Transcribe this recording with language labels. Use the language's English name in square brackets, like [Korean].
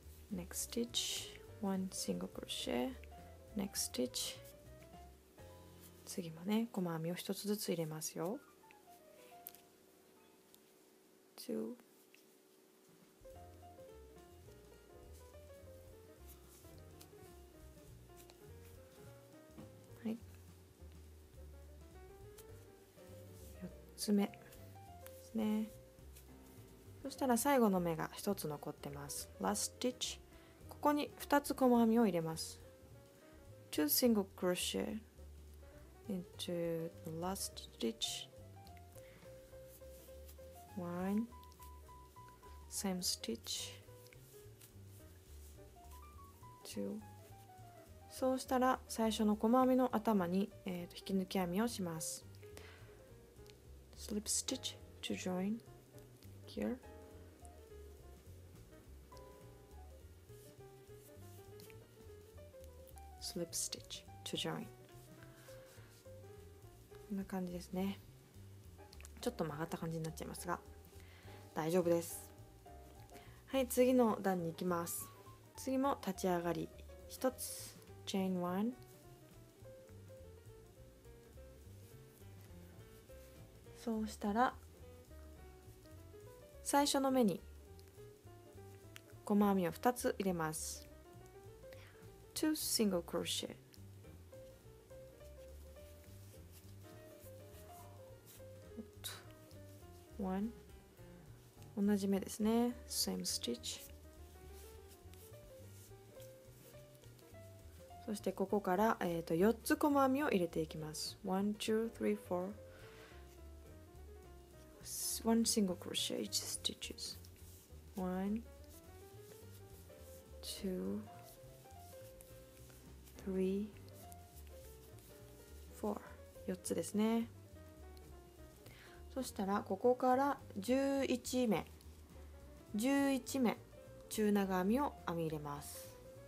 [English] Next stitch, one single crochet. Next stitch. [Japanese] 次もね、細編みを一つずつ入れますよ。 [English] Two. [Japanese] はい。四つ目ですね。そしたら最後の目が一つ残ってます。 [English] Last stitch. [Japanese] ここに2つ細編みを入れます。 [English] 2 single crochet into the last stitch. 1 same stitch. [Japanese] 2 そうしたら最初の細編みの頭に、引き抜き編みをします。 [English] slip stitch to join here. slip stitch to join。 [Japanese] こんな感じですね。ちょっと曲がった感じになっちゃいますが大丈夫です。はい、次の段に行きます。次も立ち上がり一つ [English] chain 1 [Japanese] そうしたら最初の目に細編みを2つ入れます。 [English] 2 single crochet [Japanese] 1、同じ目ですね。 [English] same stitch。 [Japanese] そしてここから、4つ細編みを入れていきます。 [English] 1, 2, 3, 4 1 single crochet each stitches 1 2 3 4 [Japanese] 4つですね。そしたらここから11目中長編みを編み入れます。